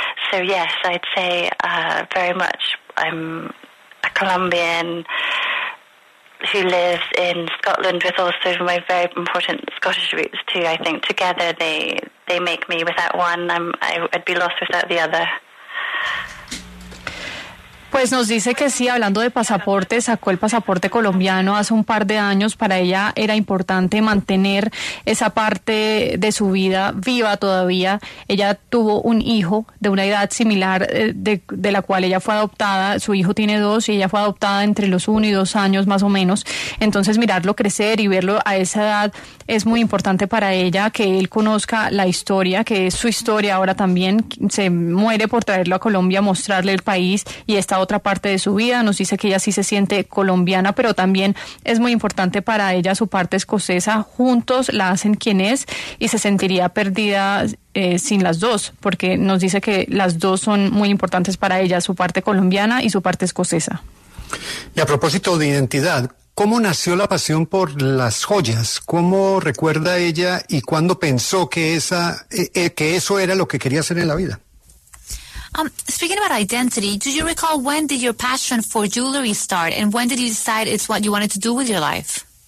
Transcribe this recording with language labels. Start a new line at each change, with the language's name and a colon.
English: So yes, I'd say very much I'm a Colombian who lives in Scotland, with also my very important Scottish roots too. I think together they make me. Without one, I'd be lost without the other.
Spanish: Pues nos dice que sí, hablando de pasaporte, sacó el pasaporte colombiano hace un par de años. Para ella era importante mantener esa parte de su vida viva todavía. Ella tuvo un hijo de una edad similar de la cual ella fue adoptada. Su hijo tiene 2 y ella fue adoptada entre los 1 y 2 años más o menos. Entonces mirarlo crecer y verlo a esa edad es muy importante para ella, que él conozca la historia, que es su historia ahora también. Se muere por traerlo a Colombia, mostrarle el país y esta otra parte de su vida. Nos dice que ella sí se siente colombiana, pero también es muy importante para ella su parte escocesa. Juntos la hacen quien es y se sentiría perdida sin las dos, porque nos dice que las dos son muy importantes para ella, su parte colombiana y su parte escocesa. Y a propósito de identidad, ¿cómo nació la pasión por las joyas? ¿Cómo recuerda ella y cuándo pensó que que eso era lo que quería hacer en la vida?
English: Speaking about identity, do you recall when did your passion for jewelry start, and when did you decide it's what you wanted to do with your life?